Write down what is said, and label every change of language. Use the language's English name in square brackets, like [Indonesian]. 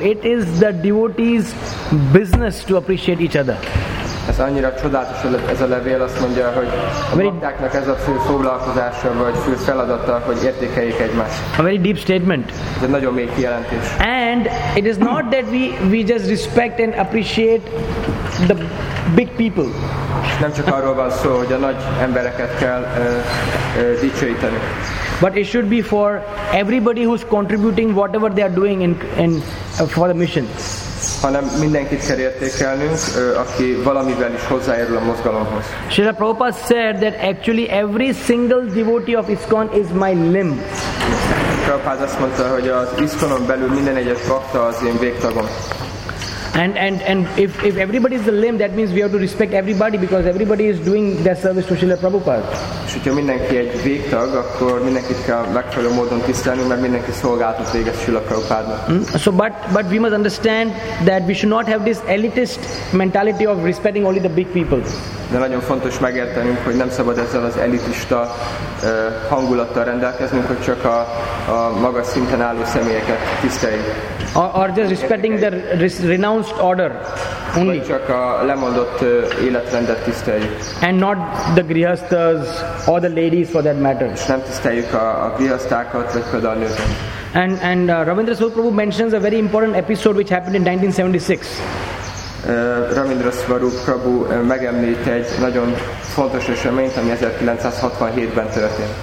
[English] It is the devotee's business to appreciate each other. [Hungarian] Ez annyira csodálatos ez a levél, azt mondja, hogy a baktáknak ez a fő foglalkozása vagy fő feladata, hogy értékeljék egymást. [English] A very deep statement. [Hungarian] Ez egy nagyon mély kijelentés. [English] And it is not that we just respect and appreciate the big people. [Hungarian] Nem csak arról van szó, hogy a nagy embereket kell dicsőíteni. [English] But it should be for everybody who's contributing whatever they are doing for the mission. [Hungarian] Hanem mindenkit kell értékelnünk, aki valamivel is hozzájárul a mozgalomhoz. [English] Srila Prabhupada said that actually every single devotee of ISKCON is my limb. [Hungarian] Prabhupada azt mondta, hogy az ISKCON-on belül minden egyes bhakta az én végtagom. [English] And if everybody is the limb, that means we have to respect everybody because everybody is doing their service to Srila Prabhupada. [Hungarian] És hogyha mindenki egy végtag, akkor mindenkit kell megfelelő módon tisztelni, mert mindenki szolgálatot végez Srila Prabhupádnak. [English] So but we must understand that we should not have this elitist mentality of respecting only the big people. [Hungarian] De nagyon fontos megértenünk, hogy nem szabad ezzel az elitista hangulattal rendelkeznünk, hogy csak a magas szinten álló személyeket tiszteljük. [English] Or just respecting the renounced order only. [Hungarian] Vagy csak a lemondott életrendet tiszteljük. [English] And not the grihasthas or the ladies for that matter. [Hungarian] És nem tiszteljük a grihasztákat, vagy például a nőket. [English] And Ravindra Swarup Prabhu mentions a very important episode which happened in 1976. [Hungarian] Ravindra Swarup Prabhu megemlít egy nagyon fontos eseményt, ami 1967-ben történt.